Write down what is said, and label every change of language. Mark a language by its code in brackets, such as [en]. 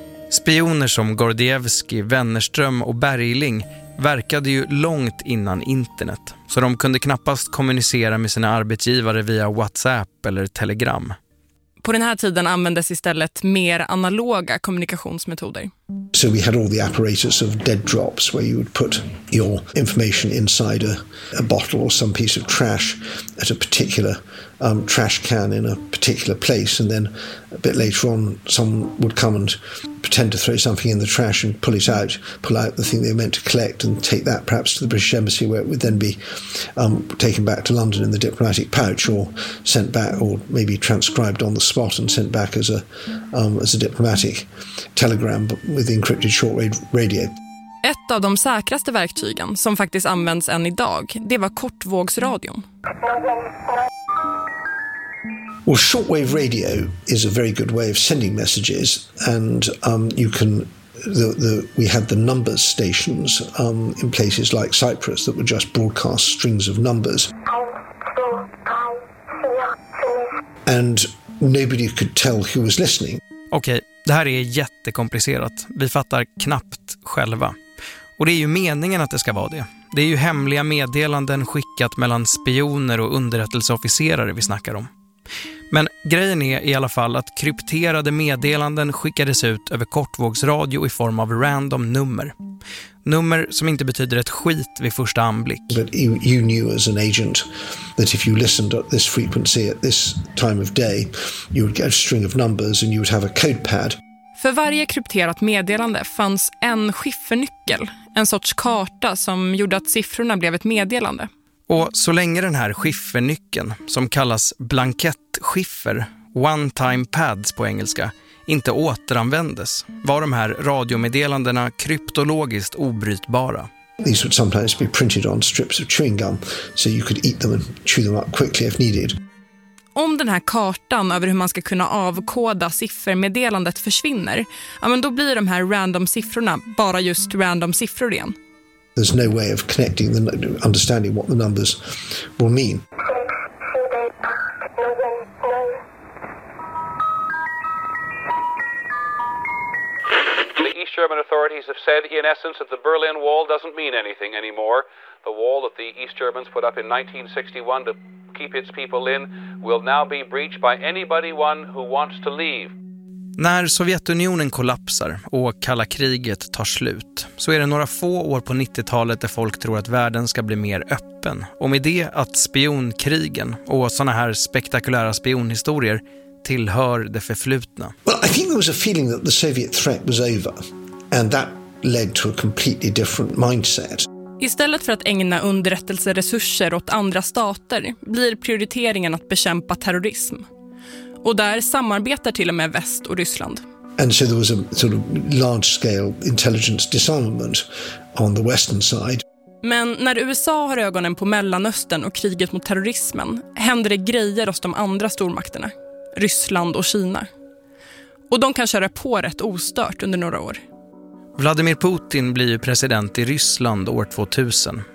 [sv] Spioner som Gordievsky, Wennerström och Bergling verkade ju långt innan internet, så de kunde knappast kommunicera med sina arbetsgivare via WhatsApp eller Telegram. På den här tiden användes istället mer analoga kommunikationsmetoder. [en] So we had all the apparatus of dead drops where you would put your information inside a bottle or some piece of trash at a particular trash can in a particular place, and then a bit later on someone would come and pretend to throw something in the trash and pull it out, pull out the thing they were meant to collect and take that perhaps to the British Embassy where it would then be taken back to London in the diplomatic pouch or sent back or maybe transcribed on the spot and sent back as a diplomatic telegram with the encrypted shortwave radio. [sv] Ett av de säkraste verktygen som faktiskt används än idag, det var kortvågsradion. [en] Well, shortwave radio is a very good way of sending messages, and you can. We had the numbers stations in places like Cyprus that would just broadcast strings of numbers. And nobody could tell who was listening. [sv] Okej, det här är jättekomplicerat. Vi fattar knappt själva. Och det är ju meningen att det ska vara det. Det är ju hemliga meddelanden skickat mellan spioner och underrättelseofficerare vi snackar om. Men grejen är i alla fall att krypterade meddelanden skickades ut över kortvågsradio i form av random nummer. Nummer som inte betyder ett skit vid första anblick. [en] But you knew as an agent that if you listened at this frequency at this time of day, you would get a string of numbers and you would have a code pad. [sv] För varje krypterat meddelande fanns en skiffernyckel, en sorts karta som gjorde att siffrorna blev ett meddelande. Och så länge den här skiffernyckeln, som kallas blankettskiffer, one-time pads på engelska, inte återanvändes, var de här radiomeddelandena kryptologiskt obrytbara. [en] These would sometimes be printed on strips of chewing gum, so you could eat them and chew them up quickly if needed. [sv] Om den här kartan över hur man ska kunna avkoda siffermeddelandet försvinner, ja, men då blir de här random siffrorna bara just random siffror igen. [en] There's no way of connecting the understanding what the numbers will mean. The East German authorities have said in essence that the Berlin Wall doesn't mean anything anymore. The wall that the East Germans put up in 1961 to keep its people in will now be breached by anybody one who wants to leave. [sv] När Sovjetunionen kollapsar och kalla kriget tar slut så är det några få år på 90-talet där folk tror att världen ska bli mer öppen. Och med det att spionkrigen och såna här spektakulära spionhistorier tillhör det förflutna. [en] Well, I think there was a feeling that the Soviet threat was over and that led to a completely different mindset. [sv] Istället för att ägna underrättelseresurser åt andra stater blir prioriteringen att bekämpa terrorism. Och där samarbetar till och med väst och Ryssland. [en] And so there was a sort of large scale intelligence disarmament on the western side. [sv] Men när USA har ögonen på Mellanöstern och kriget mot terrorismen händer det grejer hos de andra stormakterna, Ryssland och Kina. Och de kan köra på rätt ostört under några år. Vladimir Putin blir ju president i Ryssland år 2000.